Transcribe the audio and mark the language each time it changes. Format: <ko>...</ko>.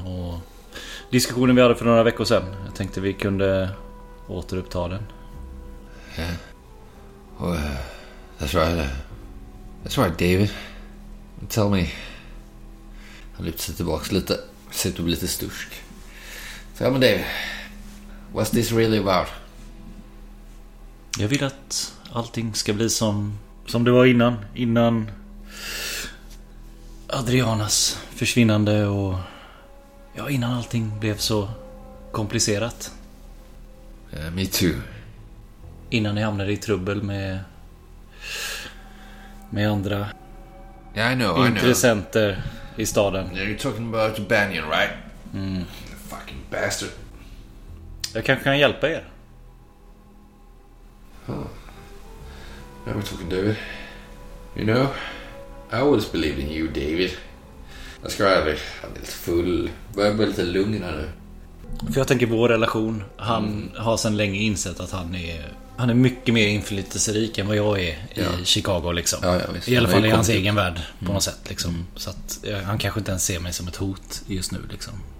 <sv>Och diskussionen vi hade för några veckor sedan, jag tänkte vi kunde återuppta den.</sv> <en>Yeah. Well, that's right, David. Tell me,</en> <sv>Han lyfter sig tillbaka lite. Ser ut att bli lite stursk. Så ja, men</sv> <en>Dave, what's this really about?</en> <sv>Jag vill att allting ska bli som det var innan. Innan Adrianas försvinnande och... ja, innan allting blev så komplicerat.</sv> <en>Me too.</en> <sv>Innan jag hamnade i trubbel med andra...</sv> <en>yeah, I know,</en> <sv>intressenter i staden.</sv> <en>Yeah, you're talking about Banyan, right? You fucking bastard.</en> <sv>Jag kanske kan hjälpa er.</sv> <en>Huh. Now we're talking, David. You know, I always believed in you, David. That's right,</en> <sv>han är lite full. Börjar bli lite lugn här nu. För jag tänker på vår relation. Han har sedan länge insett att han är mycket mer inflytelserik än vad jag är i Chicago liksom. Ja, visst. I alla fall i hans egen värld på något sätt liksom. Så att han kanske inte ens ser mig som ett hot just nu liksom.</sv>